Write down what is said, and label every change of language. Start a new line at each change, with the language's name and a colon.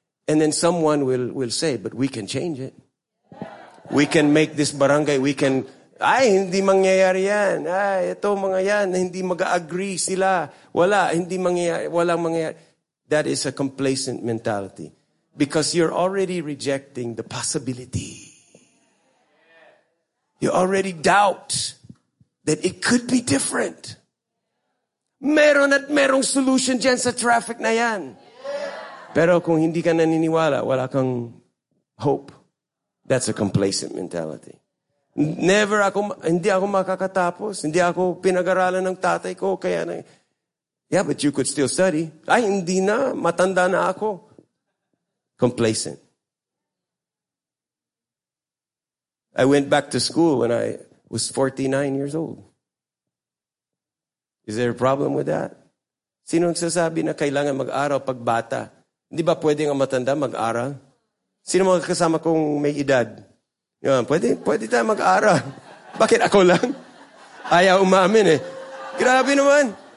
English: And then someone will say, but we can change it. We can make this barangay, we can...
Filipino: Ay, hindi mangyayari yan. Ay, ito mga yan, hindi mag-agree sila. Wala, hindi mangyayari. Walang mangyayari.
English: That is a complacent mentality. Because you're already rejecting the possibility. You already doubt that it could be different.
Filipino: Meron at merong solution dyan sa traffic na yan. Pero kung hindi ka naniniwala, wala kang hope.
English: That's a complacent mentality.
Filipino: Never ako, hindi ako makakatapos. Hindi ako pinag-aralan ng tatay ko. Kaya na,
English: yeah, but you could still study.
Filipino: Ay, hindi na. Matanda na ako. Complacent.
English: I went back to school when I was 49 years old. Is there a problem with that?
Filipino: Sino ang sasabi na kailangan mag-aral pag bata? Di ba pwede nga matanda mag-aral? Sino mga kasama kong may edad? Yan, pwede tayo mag-aral. Bakit ako lang? Ayaw umamin eh. Grabe naman.